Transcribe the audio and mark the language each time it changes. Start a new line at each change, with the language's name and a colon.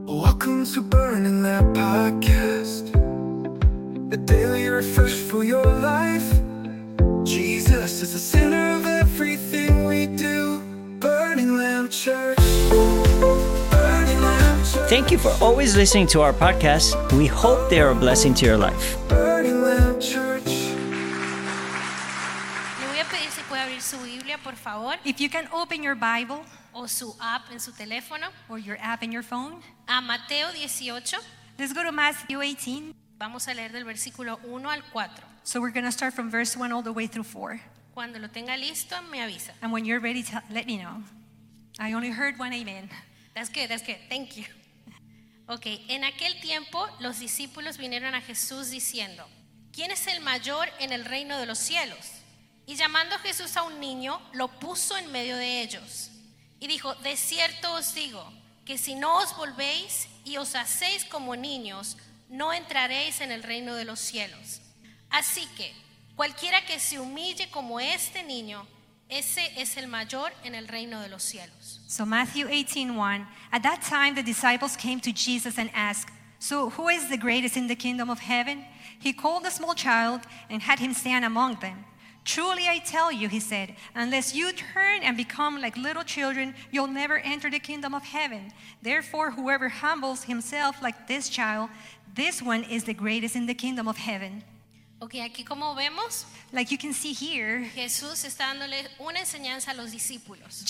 English: Welcome to Burning Lab Podcast, the daily refresh for your life. Jesus is the center of everything we do. Burning Lamb Church. Burning Lamb Church. Thank you for always listening to our podcast. We hope they are a blessing to your life. Burning Lamb Church.
Spanish: Le voy a pedir si puede abrir su Biblia, por favor.
English: If you can open your Bible.
Spanish: O su app en su teléfono.
English: Or your app in your phone.
Spanish: A Mateo 18.
English: Let's go to Matthew 18.
Spanish: Vamos a leer del versículo 1 al 4.
English: So we're going to start from verse 1 all the way through 4.
Spanish: Cuando lo tenga listo, me avisa.
English: And when you're ready, let me know. I only heard one amen. That's good. Thank you. Okay.
Spanish: En aquel tiempo, los discípulos vinieron a Jesús diciendo, ¿quién es el mayor en el reino de los cielos? Y llamando a Jesús a un niño, lo puso en medio de ellos. Y dijo, de cierto os digo, que si no os volvéis y os hacéis como niños, no entraréis en el reino de los cielos. Así que, cualquiera que se humille como este niño, ese es el mayor en el reino de los cielos.
English: So Matthew 18:1, at that time the disciples came to Jesus and asked, so who is the greatest in the kingdom of heaven? He called a small child and had him stand among them. Truly I tell you, he said, unless you turn and become like little children, you'll never enter the kingdom of heaven. Therefore, whoever humbles himself like this child, this one is the greatest in the kingdom of heaven.
Spanish: Okay, aquí como vemos,
English: like you can see here,
Spanish: Jesús está dándole una enseñanza a los discípulos.